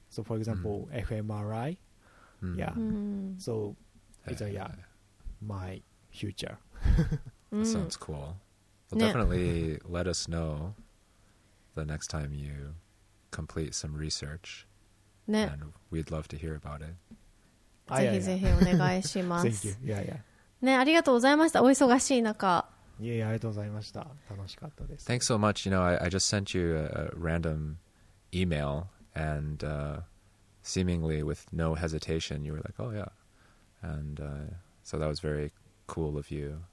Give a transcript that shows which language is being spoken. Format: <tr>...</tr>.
<en>So, for example, fMRI. Yeah, so it's my future. That sounds cool. Well, definitely let us know the next time you complete some research. And we'd love to hear about it.</en> <ja>ぜひぜひお願いします。</ja> <en>Thank you. Yeah, yeah.</en> <ja>ね、ありがとうございました。お忙しい中。 Yeah, ありがとうございました。楽しかったです。</ja> <en>Thanks so much. You know, I just sent you a random email and seemingly with no hesitation you were like, oh yeah. And so that was very cool of you.</en>